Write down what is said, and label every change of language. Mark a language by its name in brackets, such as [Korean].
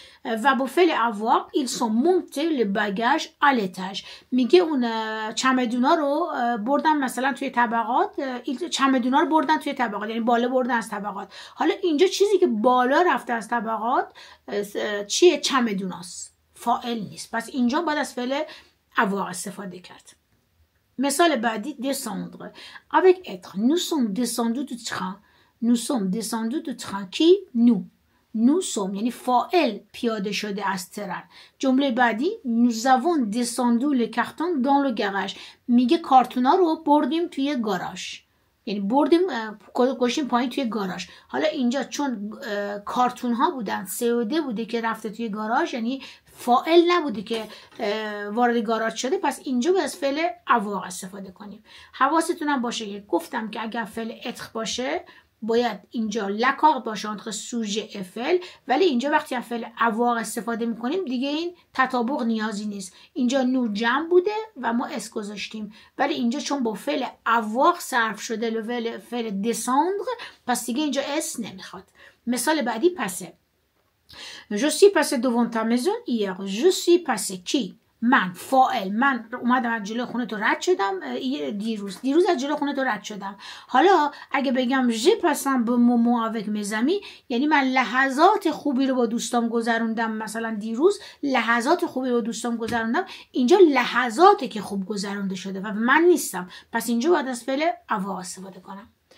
[Persian] و با فعل avoir [French] ایل سون مونته ل باگاژ آل اتاژ، [Persian] میگه اون چمدونا رو بردن مثلا توی طبقات، ایل چمدونا رو بردن توی طبقات، یعنی بالا بردن از طبقات. حالا اینجا چیزی که بالا رفته از طبقات چیه؟ چمدوناست، فاعل نیست، پس اینجا باید از فعل avoir استفاده کرد. مثال بعدی [French] descendre avec être، nous sommes descendus du train، nous sommes descendus du train، کی؟ nous sommes، [Persian] یعنی فاعل پیاده شده از ترن. جمله بعدی [French] nous avons descendu le carton dans le garage، [Persian] میگه کارتونا رو بردیم توی گاراژ، یعنی بردیم گوشیم پایین توی گاراژ. حالا اینجا چون کارتون ها بودن، سعوده بوده که رفته توی گاراژ، یعنی فاعل نبوده که وارد گاراژ شده، پس اینجا باید از فعل avoir استفاده کنیم. حواستون هم باشه که گفتم که اگر فعل اتر باشه باید اینجا لکاغ باشه انتخ سوژه افل، ولی اینجا وقتی از فعل avoir استفاده میکنیم دیگه این تطابق نیازی نیست. اینجا نو جمع بوده و ما اس گذاشتیم، ولی اینجا چون با فعل avoir صرف شده لول فعل descendre، پس دیگه اینجا اس نمیخواد. مثال بعدی پسه، [French] Je suis passé devant ta maison hier. Je suis passé qui؟ [Persian] من، فاعل، من اومدم از جلوی خونه تو رد شدم دیروز. دیروز از جلوی خونه تو رد شدم. حالا اگه بگم [French] je passe un bon moment avec mes amis، [Persian] یعنی من لحظات خوبی رو با دوستام گذروندم، مثلا دیروز لحظات خوبی رو با دوستام گذروندم، اینجا لحظاتی که خوب گذرونده شده و من نیستم، پس اینجا باید از فعل avoir استفاده کنم.